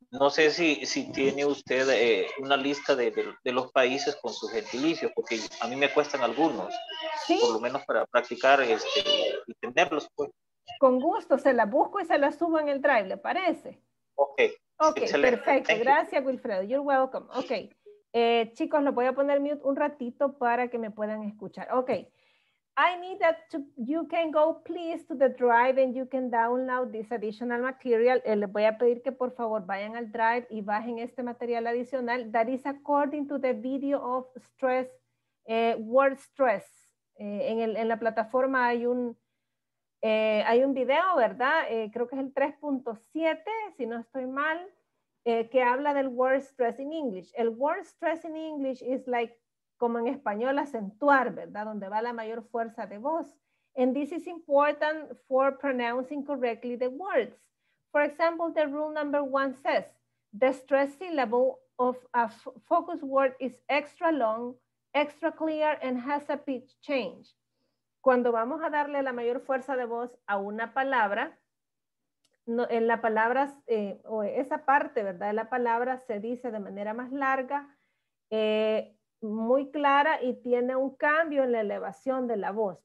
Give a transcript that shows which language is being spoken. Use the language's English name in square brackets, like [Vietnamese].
[Spanish] No sé si tiene usted una lista de los países con sus gentilicios, porque a mí me cuestan algunos, ¿sí? Por lo menos para practicar y tenerlos. Pues. Con gusto, se la busco y se la subo en el Drive, ¿le parece? Ok. Ok, excelente. Perfecto. Thank Gracias, Wilfredo. [English] You're welcome. [Spanish] Ok. Chicos, lo voy a poner mute un ratito para que me puedan escuchar. [English] Ok. I need that to, you can go please to the Drive and you can download this additional material. [Spanish] Les voy a pedir que por favor vayan al Drive y bajen este material adicional. [English] That is according to the video of stress, word stress. [Spanish] En la plataforma hay un video, ¿verdad? Creo que es el 3.7, si no estoy mal, que habla del [English] word stress in English. [Spanish] El word stress in English is like, como en español, acentuar, ¿verdad? Donde va la mayor fuerza de voz. [English] And this is important for pronouncing correctly the words. For example, the rule number one says, the stress syllable of a focus word is extra long, extra clear, and has a pitch change. [Spanish] Cuando vamos a darle la mayor fuerza de voz a una palabra, no, en la palabra, o esa parte, ¿verdad? De la palabra se dice de manera más larga, muy clara y tiene un cambio en la elevación de la voz.